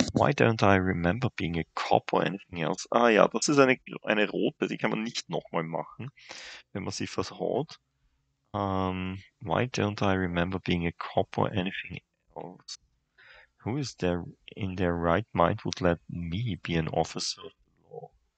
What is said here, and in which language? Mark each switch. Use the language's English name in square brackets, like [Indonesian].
[English] Why don't I remember being a cop or anything else? [German] Ah ja, das ist eine rote, die kann man nicht nochmal machen, wenn man sie versaut. [English] Why don't I remember being a cop or anything else? Who is there in their right mind would let me be an officer of the law?